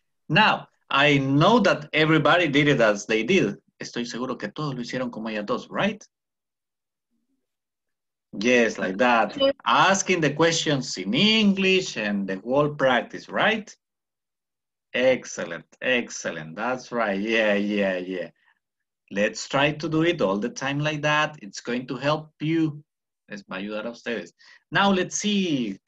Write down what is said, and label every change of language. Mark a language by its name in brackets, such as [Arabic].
[English] Now, I know that everybody did it as they did. [Spanish] Estoy seguro que todos lo hicieron como ellas dos, right? [English] Yes, like that. Asking the questions in English and the whole practice, right? Excellent. That's right. Yeah. Let's try to do it all the time like that. It's going to help you. [Spanish] Es para ayudar a ustedes. [English] Now, let's see.